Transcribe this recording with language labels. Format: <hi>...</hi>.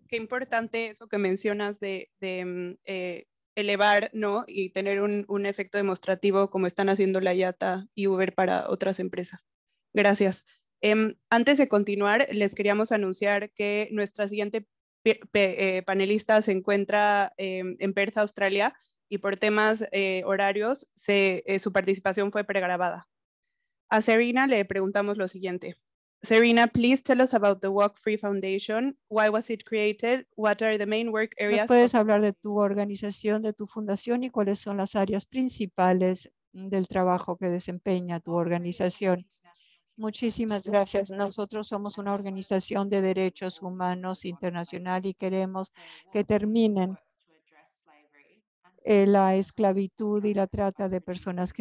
<es>Qué importante eso que mencionas de elevar, ¿no?, y tener un efecto demostrativo como están haciendo la IATA y Uber para otras empresas. Gracias. Antes de continuar, les queríamos anunciar que nuestra siguiente panelista se encuentra en Perth, Australia, y por temas horarios su participación fue pregrabada. A Serena le preguntamos lo siguiente.</es> <en>Serena, please tell us about the Walk Free Foundation. Why was it created? What are the main work areas?</en> <es>¿Nos puedes hablar de tu organización, de tu fundación, y cuáles son las áreas principales del trabajo que desempeña tu organización? Muchísimas gracias. Nosotros somos una organización de derechos humanos internacional y queremos que terminen la esclavitud y la trata de personas.</es>